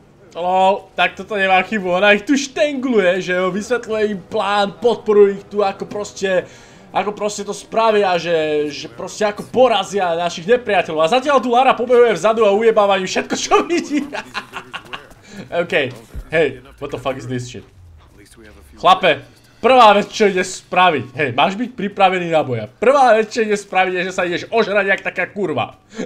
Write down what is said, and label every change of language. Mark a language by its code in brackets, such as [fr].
[sk] Hello, tak toto nemá chybu, ona ich tu štengluje, že jo, vysvetľuje im plán, podporuje ich tu ako proste to spravia, že proste ako porazia našich nepriateľov. A zatiaľ tu Lara pobehuje vzadu a ujebáva im všetko, čo vidí. [en] OK, hej, what the fuck is this shit? [sk] Chlape! Prvá vec, čo ideš spraviť, hej, máš byť pripravený na boja. Prvá vec, čo ideš spraviť, je, že sa ideš ožrať jak taká kurva.